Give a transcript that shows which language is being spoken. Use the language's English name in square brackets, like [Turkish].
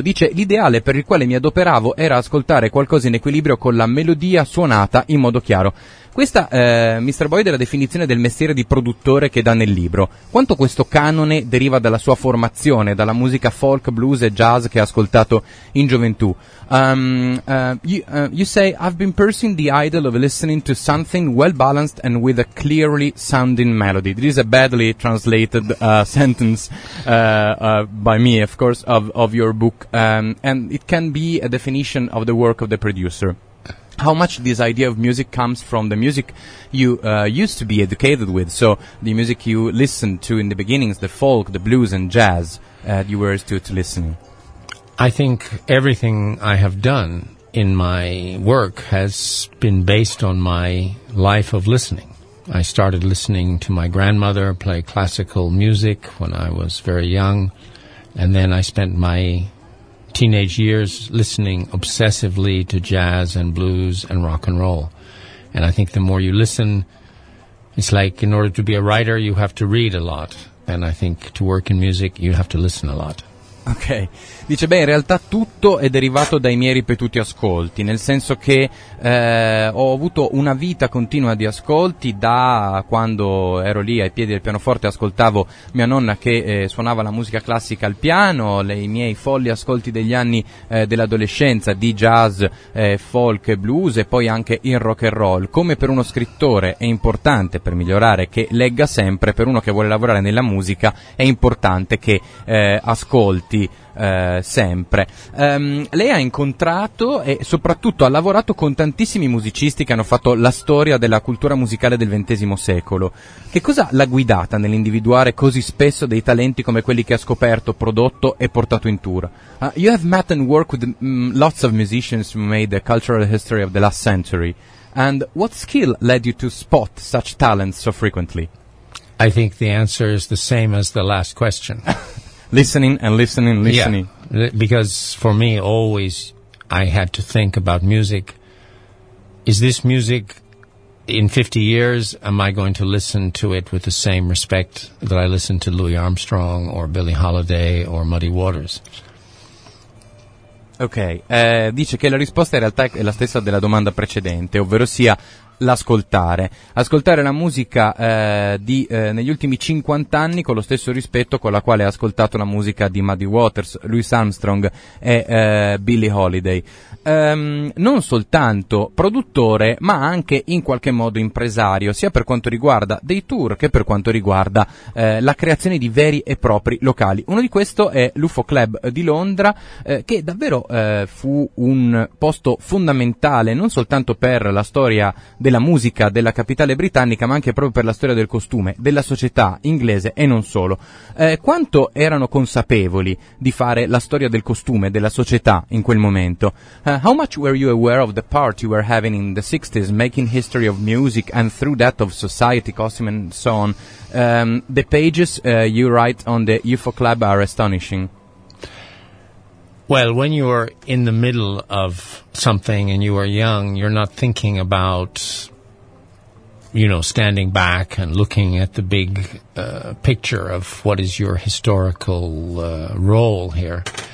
[Italian] Dice: l'ideale per il quale mi adoperavo era ascoltare qualcosa in equilibrio con la melodia suonata in modo chiaro. Questa, Mr. Boyd, è la definizione del mestiere di produttore che dà nel libro. Quanto questo canone deriva dalla sua formazione, dalla musica folk, blues e jazz che ha ascoltato in gioventù? [English] You say, I've been pursuing the idol of listening to something well-balanced and with a clearly sounding melody. This is a badly translated sentence by me, of course, of your book. And it can be a definition of the work of the producer. How much this idea of music comes from the music you used to be educated with, so the music you listened to in the beginnings, the folk, the blues and jazz that you were used to listen. I think everything I have done in my work has been based on my life of listening. I started listening to my grandmother play classical music when I was very young, and then I spent my teenage years listening obsessively to jazz and blues and rock and roll. And I think the more you listen, it's like in order to be a writer, you have to read a lot. And I think to work in music, you have to listen a lot. [Italian] Ok, dice: beh, in realtà tutto è derivato dai miei ripetuti ascolti, nel senso che ho avuto una vita continua di ascolti da quando ero lì ai piedi del pianoforte, ascoltavo mia nonna che suonava la musica classica al piano, i miei folli ascolti degli anni dell'adolescenza di jazz, folk e blues e poi anche in rock and roll. Come per uno scrittore è importante per migliorare che legga sempre, per uno che vuole lavorare nella musica è importante che ascolti sempre. Lei ha incontrato e soprattutto ha lavorato con tantissimi musicisti che hanno fatto la storia della cultura musicale del XX secolo. Che cosa l'ha guidata nell'individuare così spesso dei talenti come quelli che ha scoperto, prodotto e portato in tour? [English] You have met and worked with lots of musicians who made the cultural history of the last century. And what skill led you to spot such talents so frequently? I think the answer is the same as the last question. Listening and listening, listening. Yeah, because for me, always, I had to think about music. Is this music, in 50 years, am I going to listen to it with the same respect that I listened to Louis Armstrong or Billie Holiday or Muddy Waters? Okay. [Italian] Dice che la risposta in realtà è la stessa della domanda precedente, ovvero sia l'ascoltare. Ascoltare la musica negli ultimi 50 anni con lo stesso rispetto con la quale ha ascoltato la musica di Muddy Waters, Louis Armstrong e Billie Holiday. Non soltanto produttore, ma anche in qualche modo impresario, sia per quanto riguarda dei tour che per quanto riguarda la creazione di veri e propri locali. Uno di questi è l'UFO Club di Londra, che davvero fu un posto fondamentale non soltanto per la storia della musica della capitale britannica, ma anche proprio per la storia del costume, della società inglese e non solo. Quanto erano consapevoli di fare la storia del costume, della società in quel momento? [English] How much were you aware of the part you were having in the 60s, making history of music and through that of society, costume and so on? The pages you write on the UFO Club are astonishing. Well, when you are in the middle of something and you are young, you're not thinking about, you know, standing back and looking at the big picture of what is your historical role here.